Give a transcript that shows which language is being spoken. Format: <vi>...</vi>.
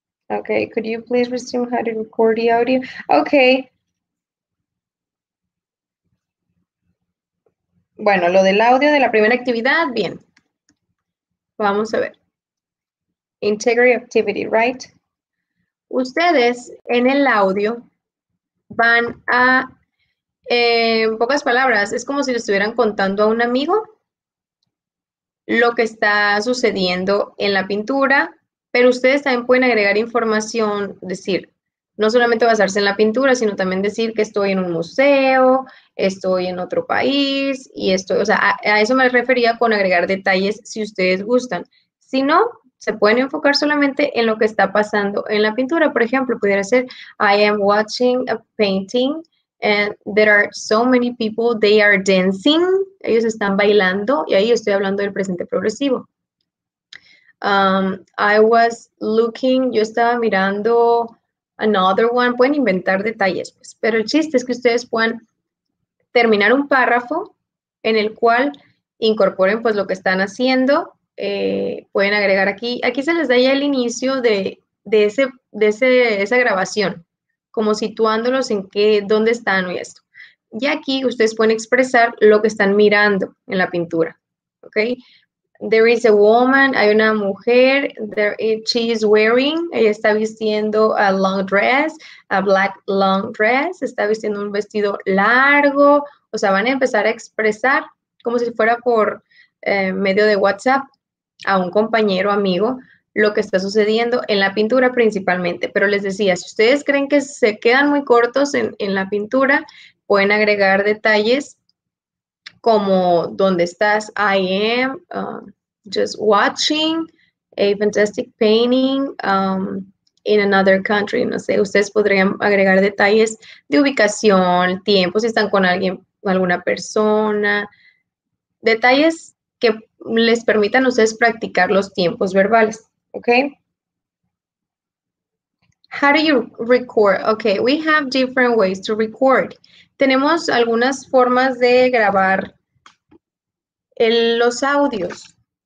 <en>Okay, could you please resume how to record the audio? Okay.</en> <es>Bueno, lo del audio de la primera actividad, bien. Vamos a ver.</es> <en>Integrity activity, right?</en> <es>Ustedes en el audio van a, en pocas palabras, es como si le estuvieran contando a un amigo lo que está sucediendo en la pintura, pero ustedes también pueden agregar información, decir, no solamente basarse en la pintura, sino también decir que estoy en un museo, estoy en otro país, y estoy, o sea, a eso me refería con agregar detalles si ustedes gustan. Si no, se pueden enfocar solamente en lo que está pasando en la pintura. Por ejemplo, pudiera ser,</es> <en>I am watching a painting and there are so many people, they are dancing.</en> <es>Ellos están bailando y ahí estoy hablando del presente progresivo.</es> <en>I was looking,</en> <es>yo estaba mirando</es> <en>another one.</en> <es>Pueden inventar detalles, pues, pero el chiste es que ustedes puedan terminar un párrafo en el cual incorporen pues lo que están haciendo. Pueden agregar aquí se les da ya el inicio de esa grabación, como situándolos en qué, dónde están y esto. Y aquí ustedes pueden expresar lo que están mirando en la pintura, ¿ok?</es> <en>There is a woman,</en> <es>hay una mujer,</es> <en>she is wearing,</en> <es>ella está vistiendo</es> <en>a long dress, a black long dress,</en> <es>está vistiendo un vestido largo, o sea, van a empezar a expresar como si fuera por medio de WhatsApp a un compañero, amigo, lo que está sucediendo en la pintura principalmente. Pero les decía, si ustedes creen que se quedan muy cortos en la pintura, pueden agregar detalles como, ¿dónde estás?</es> <en>I am just watching a fantastic painting in another country.</en> <es>No sé, ustedes podrían agregar detalles de ubicación, tiempo, si están con alguien, alguna persona. Detalles que les permitan a ustedes practicar los tiempos verbales. Okay.</es> <en>How do you record? Okay, we have different ways to record.</en> <es>Tenemos algunas formas de grabar los audios.</es>